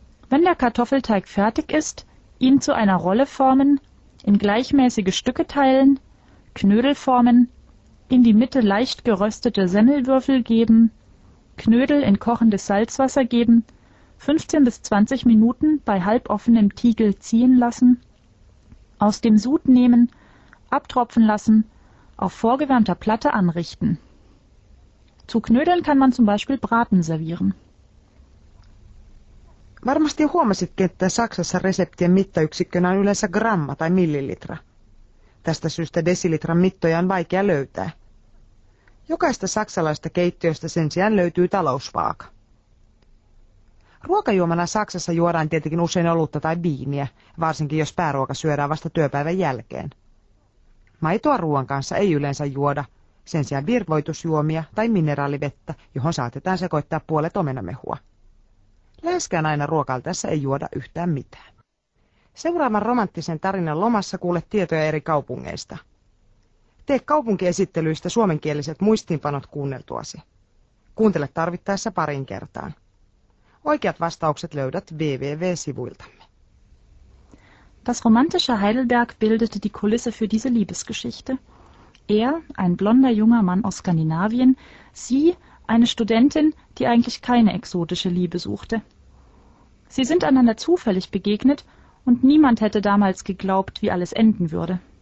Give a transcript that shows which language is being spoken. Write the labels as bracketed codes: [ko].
[de] Wenn der Kartoffelteig fertig ist, ihn zu einer Rolle formen, in gleichmäßige Stücke teilen, Knödel formen, in die Mitte leicht geröstete Semmelwürfel geben, Knödel in kochendes Salzwasser geben, 15 bis 20 Minuten bei halboffenem Tiegel ziehen lassen, aus dem Sud nehmen, abtropfen lassen, auf vorgewärmter Platte anrichten. Zu Knödeln kann man zum Beispiel Braten servieren. [fi] Varmasti huomasitkin, että Saksassa reseptien mittayksikkönä on yleensä gramma tai millilitra. Tästä syystä desilitran mittoja on vaikea löytää. Jokaista saksalaista keittiöstä sen sijaan löytyy talousvaaka. Ruokajuomana Saksassa juodaan tietenkin usein olutta tai viiniä, varsinkin jos pääruoka syödään vasta työpäivän jälkeen. Maitoa ruoan kanssa ei yleensä juoda, sen sijaan virvoitusjuomia tai mineraalivettä, johon saatetaan sekoittaa puolet omenamehua. Läheskään aina ruokailtaessa ei juoda yhtään mitään. Seuraavan romanttisen tarinan lomassa kuulet tietoja eri kaupungeista. Tee kaupunkiesittelyistä suomenkieliset muistiinpanot kuunneltuasi. Kuuntele tarvittaessa parin kertaan. Oikeat vastaukset löydät www-sivuiltamme. [de] Das romantische Heidelberg bildete die Kulisse für diese Liebesgeschichte. Er, ein blonder junger Mann aus Skandinavien, sie, eine Studentin, die eigentlich keine exotische Liebe suchte. Sie sind einander zufällig begegnet und niemand hätte damals geglaubt, wie alles enden würde.